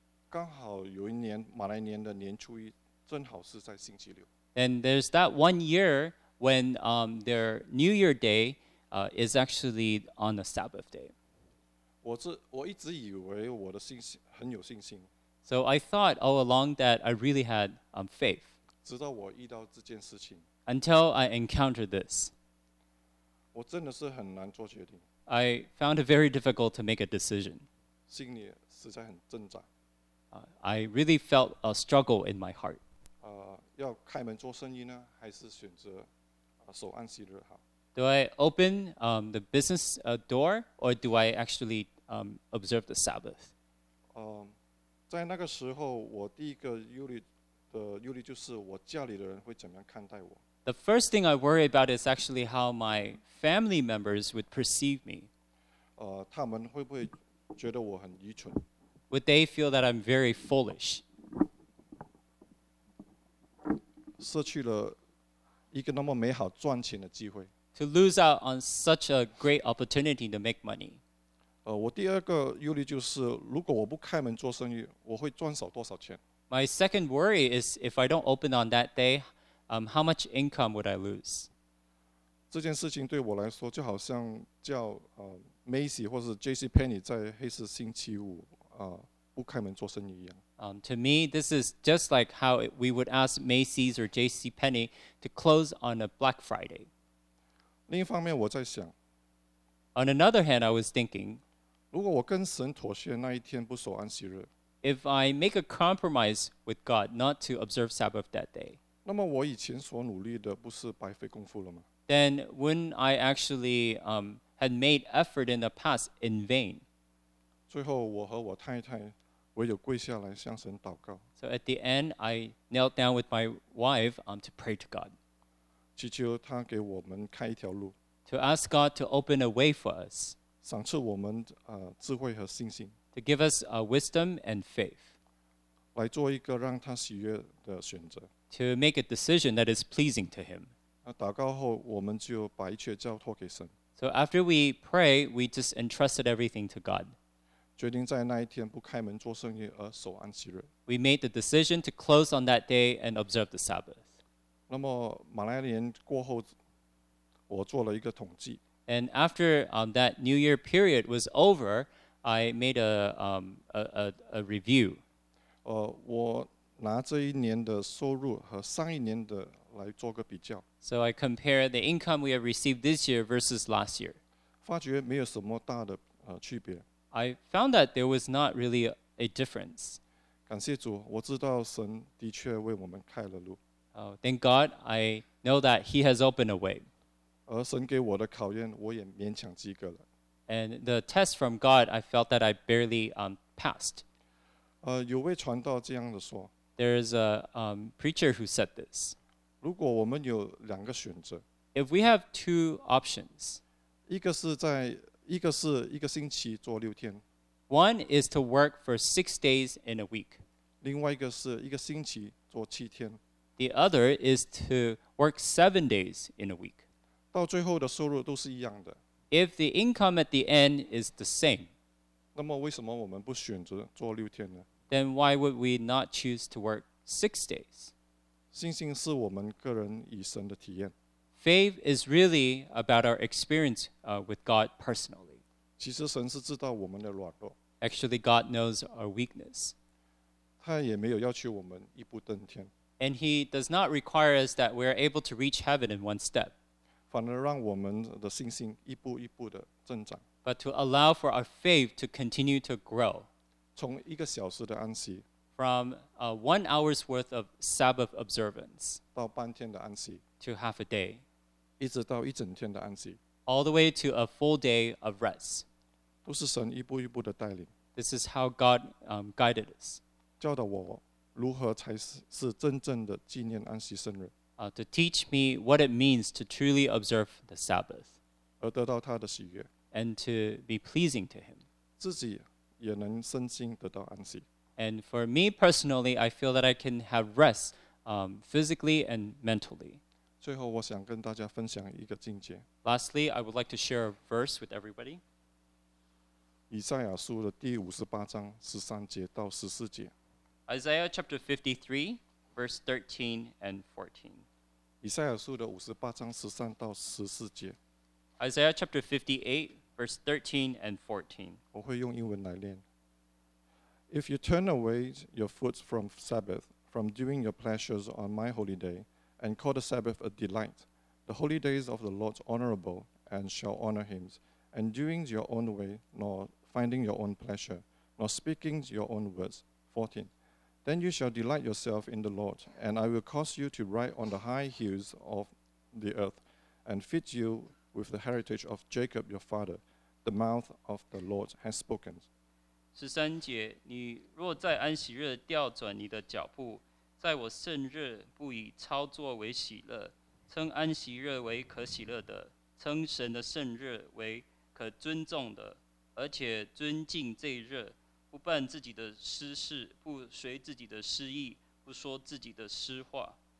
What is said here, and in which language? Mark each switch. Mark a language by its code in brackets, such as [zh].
[zh] 刚好有一年马来年的年初一，正好是在星期六。 [en] And there's that one year when their New Year Day is actually on the Sabbath day. [zh] 我一直以为我的信心很有信心。 [en] So I thought all along that I really had faith. [zh] 直到我遇到这件事情。 [en] Until I encountered this. [zh] 我真的是很难做决定。 [en] I found it very difficult to make a decision. [zh] 心里实在很挣扎。 [en] I really felt a struggle in my heart. [zh] 要开门做生意呢，还是选择守安息日好？ [en] Do I open the business door, or do I actually observe the Sabbath? [zh] 在那个时候，我第一个忧虑就是我家里的人会怎么样看待我。 [en] The first thing I worry about is actually how my family members would perceive me. [zh] 他们会不会觉得我很愚蠢？ [en] Would they feel that I'm very foolish? [zh] 失去了一个那么美好赚钱的机会。 [en] To lose out on such a great opportunity to make money. [zh] 我第二个忧虑就是，如果我不开门做生意，我会赚少多少钱。 [en] My second worry is if I don't open on that day, how much income would I lose? [zh] 这件事情对我来说就好像叫Macy 或是 JCPenney 在黑色星期五不开门做生意一样。 [en] To me, this is just like how we would ask Macy's or JCPenney to close on a Black Friday. [zh] 另一方面，我在想。 [en] On another hand, I was thinking. [zh] 如果我跟神妥协，那一天不守安息日。 [en] If I make a compromise with God not to observe Sabbath that day. [zh] 那么我以前所努力的不是白费功夫了吗？ [en] Then when I actually had made effort in the past in vain. [zh] 最后，我和我太太。唯有跪下来向神祷告。 [en] So at the end, I knelt down with my wife to pray to God. [zh] 祈求他给我们开一条路。 [en] To ask God to open a way for us. [zh] 赏赐我们智慧和信心。 [en] To give us wisdom and faith. [zh] 来做一个让他喜悦的选择。 [en] To make a decision that is pleasing to him. [zh] 祷告后，我们就把一切交托给神。 [en] So after we pray, we just entrusted everything to God. [zh] 决定在那一天不开门做生意而守安息日。 [en] We made the decision to close on that day and observe the Sabbath. [zh] 那么马来年过后，我做了一个统计。 [en] And after that New Year period was over, I made a review. [zh] 我拿这一年的收入和上一年的来做个比较。 [en] So I compare the income we have received this year versus last year. [zh] 发觉没有什么大的区别。 [en] I found that there was not really a difference. [zh] 感谢主，我知道神的确为我们开了路。 [en] Thank God, I know that He has opened a way. [zh] 而神给我的考验，我也勉强及格了。 [en] And the test from God, I felt that I barely passed. [zh] 有位传道这样的说。 [en] There is a preacher who said this. [zh] 如果我们有两个选择。 [en] If we have two options. [zh] 一个是一个星期做六天。 [en] One is to work for 6 days in a week. [zh] 另外一个是一个星期做七天。 [en] The other is to work 7 days in a week. [zh] 到最后的收入都是一样的。 [en] If the income at the end is the same, [zh] 那么为什么我们不选择做六天呢？ [en] Then why would we not choose to work 6 days? [zh] 信心是我们个人与神的体验。 [en] Faith is really about our experience with God personally. [zh] 其实神是知道我们的软弱。 [en] Actually, God knows our weakness. [zh] 他也没有要求我们一步登天。 [en] And He does not require us that we are able to reach heaven in one step. [zh] 反而让我们的信心一步一步的增长。 [en] But to allow for our faith to continue to grow. [zh] 从一个小时的安息。 [en] From 1 hour's worth of Sabbath observance. [zh] 到半天的安息。 [en] To half a day, [zh] 一直到一整天的安息, [en] all the way to a full day of rest. [zh] 都是神一步一步的带领. [en] This is how God guided us. [zh] 教导我如何才 是真正的纪念安息圣日。 [en] To teach me what it means to truly observe the Sabbath. [zh] 而得到他的喜悦。 [en] And to be pleasing to him. [zh] 自己也能身心得到安息。 [en] And for me personally, I feel that I can have rest physically and mentally. [zh] 最后我想跟大家分享一个境界。 [en] Lastly, I would like to share a verse with everybody. [zh] 以赛亚书的第五十八章十三节到十四节。 [en] Isaiah chapter 53, verse 13 and 14. [zh] 以赛亚书的五十八章十三到十四节。 [en] Isaiah chapter 58, verse 13 and 14. [zh] 我会用英文来念。 [en] If you turn away your foot from Sabbath, from doing your pleasures on my holy day, and call the Sabbath a delight, the holy days of the Lord honorable, and shall honor him, and doing your own way, nor finding your own pleasure, nor speaking your own words. 14. Then you shall delight yourself in the Lord, and I will cause you to ride on the high hills of the earth, and feed you with the heritage of Jacob your father. The mouth of the Lord has spoken. [zh] 十三节，你若在安息日调转你的脚步，在我圣日不以操作为喜乐，称安息日为可喜乐的，称神的圣日为可尊重的，而且尊敬这一日，不办自己的私事，不随自己的私意，不说自己的私话。